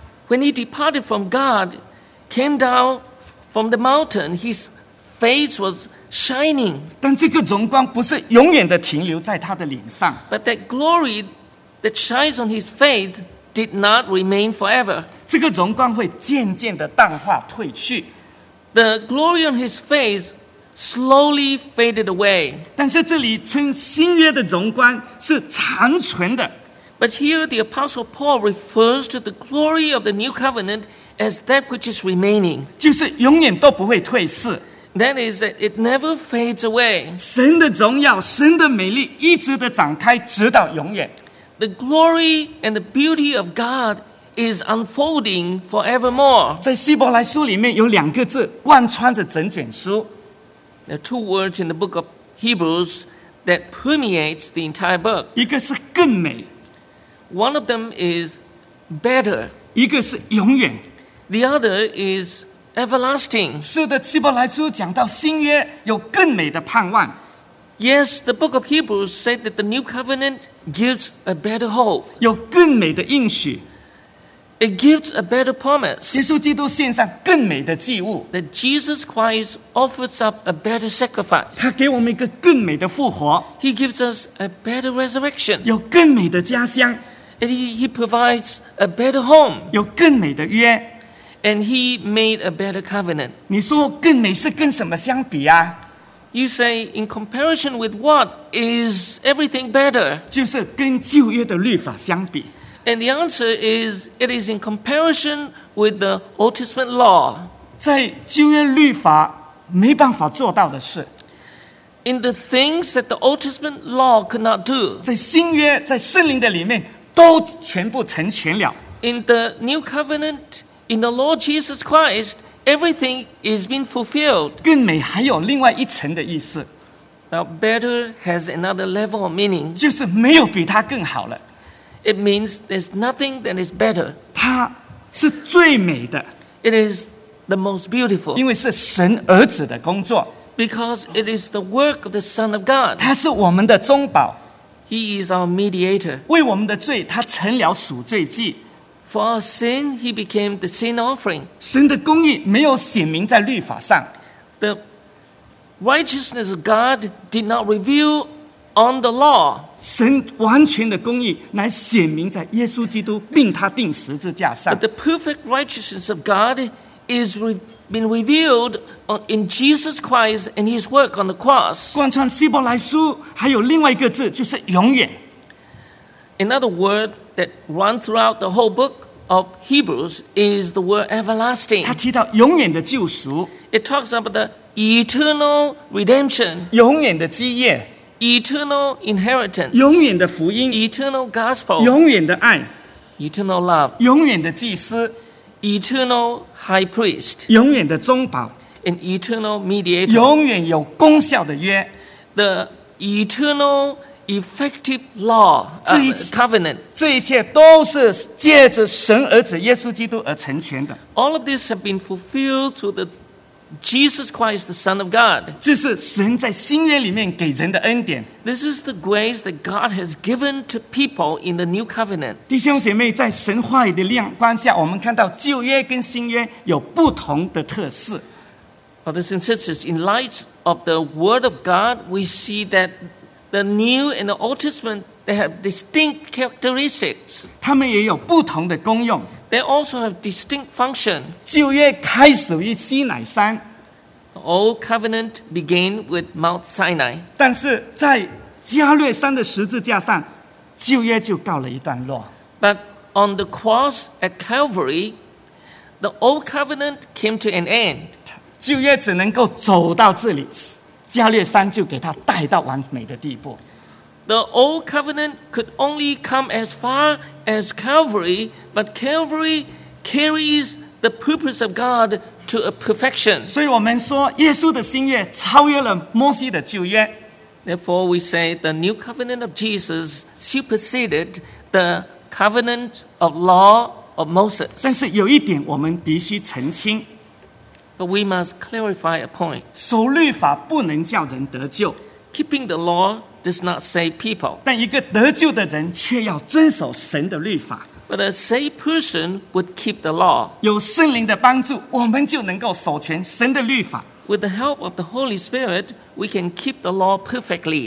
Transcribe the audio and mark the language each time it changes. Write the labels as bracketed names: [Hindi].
[English] When he departed from God, came down from the mountain, his face was shining. [Chinese] 但这个荣光不是永远的停留在他的脸上。 [English] But that glory The signs on his faith did not remain forever. [Chinese] 这个荣光会渐渐地淡化退去。 [English] The glory on his face slowly faded away. [Chinese] 但是这里称新约的荣光是长存的。 [English] But here the Apostle Paul refers to the glory of the new covenant as that which is remaining. [Chinese] 就是永远都不会退逝。 [English] That is that it never fades away. [Chinese] 神的荣耀，神的美丽一直地展开，直到永远。 [English] The glory and the beauty of God is unfolding forevermore. [Chinese] 在希伯来书里面有两个字贯穿着整卷书。 [English] There are two words in the book of Hebrews that permeates the entire book. [Chinese] 一个是更美。 [English] One of them is better. [Chinese] 一个是永远。 [English] The other is everlasting. [Chinese] 是的，希伯来书讲到新约有更美的盼望。 [English] Yes, the book of Hebrews said that the new covenant gives a better hope. [Chinese] 有更美的应许。 [English] It gives a better promise. [Chinese] 耶稣基督献上更美的祭物。 [English] That Jesus Christ offers up a better sacrifice. [Chinese] 他给我们一个更美的复活。 [English] He gives us a better resurrection. [Chinese] 有更美的家乡。 [English] And he provides a better home. [Chinese] 有更美的约。 [English] And he made a better covenant. [Chinese] 你说更美是跟什么相比啊？ [English] You say, in comparison with what is everything better? [Chinese] 就是跟旧约的律法相比。 [English] And the answer is, it is in comparison with the Old Testament law. [Chinese] 在旧约律法没办法做到的事。 [English] In the things that the Old Testament law could not do. [Chinese] 在新约，在圣灵的里面都全部成全了。 [English] In the New Covenant, in the Lord Jesus Christ,Everything is being fulfilled. [Chinese] 更美还有另外一层的意思。 [English] Now better has another level of meaning. [Chinese] 就是没有比它更好了。 [English] It means there's nothing that is better. [Chinese] 它是最美的。 [English] It is the most beautiful. [Chinese] 因为是神儿子的工作。 [English] Because it is the work of the Son of God. [Chinese] 它是我们的中保。 [English] He is our mediator. [Chinese] 为我们的罪，他成了赎罪祭。 [English] For our sin, he became the sin offering. [Chinese] 神的公义没有显明在律法上。 [English] The righteousness of God did not reveal on the law. [Chinese] 神完全的公义乃显明在耶稣基督并他钉十字架上。 [English] But the perfect righteousness of God is been revealed in Jesus Christ and his work on the cross. [Chinese] 贯穿希伯来书还有另外一个字就是永远。 [English] In other words,That run throughout the whole book of Hebrews is the word everlasting. [Chinese] 他提到永远的救赎。 [English] It talks about the eternal redemption. [Chinese] 永远的基业。 [English] Eternal inheritance. [Chinese] 永远的福音。 [English] Eternal gospel. [Chinese] 永远的爱。 [English] Eternal love. [Chinese] 永远的祭司。 [English] Eternal high priest. [Chinese] 永远的中保。 [English] An eternal mediator. [Chinese] 永远有功效的约。 [English] The eternal. Effective law, covenant. [Chinese] 这一切都是借着神儿子耶稣基督而成全的。 [English] All of this have been fulfilled through the Jesus Christ, the Son of God. [Chinese] 这是神在新约里面给人的恩典。 [English] This is the grace that God has given to people in the new covenant. [Chinese] 弟兄姐妹，在神话语的亮光下，我们看到旧约跟新约有不同的特色。 [English] Brothers and sisters, in light of the Word of God, we see that. The New and the Old Testament, they have distinct characteristics. [Chinese] 他们也有不同的功用。 [English] They also have distinct function. [Chinese] 旧约开始于西乃山。 [English] The Old Covenant began with Mount Sinai. [Chinese] 但是在加略山的十字架上，旧约就告了一段落。 [English] But on the cross at Calvary, the Old Covenant came to an end. [Chinese] 旧约只能够走到这里。加略山就给他带到完美的地步。 [English] The old covenant could only come as far as Calvary, but Calvary carries the purpose of God to a perfection. [Chinese] 所以我们说，耶稣的新约超越了摩西的旧约。 [English] Therefore, we say the new covenant of Jesus superseded the covenant of law of Moses. [Chinese] 但是有一点我们必须澄清。 [English] But we must clarify a point. [Chinese] 守律法不能叫人得救。 [English] Keeping the law does not save people. [Chinese] 但一个得救的人却要遵守神的律法。 [English] But a saved person would keep the law. [Chinese] 有圣灵的帮助，我们就能够守全神的律法。 [English] With the help of the Holy Spirit, we can keep the law perfectly.